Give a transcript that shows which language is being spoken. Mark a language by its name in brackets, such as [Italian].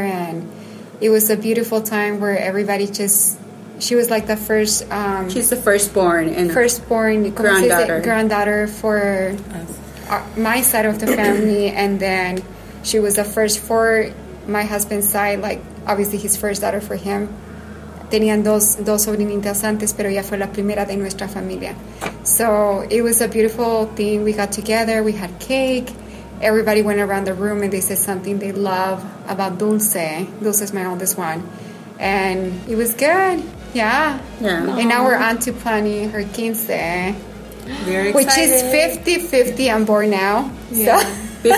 [English] And it was a beautiful time where everybody just... She was like the first... she's the firstborn. Firstborn. Granddaughter. Granddaughter for my side of the family. And then she was the first for my husband's side. Like, obviously, his first daughter for him. [Spanish] Tenían dos sobrinitas antes, pero ella fue la primera de nuestra familia. [English] So it was a beautiful thing. We got together. We had cake. Everybody went around the room and they said something they love about Dulce. Dulce is my oldest one. And it was good. Yeah. Yeah. And now we're on to planning her 15. Very excited. Which is 50-50. I'm born now. Yeah. So.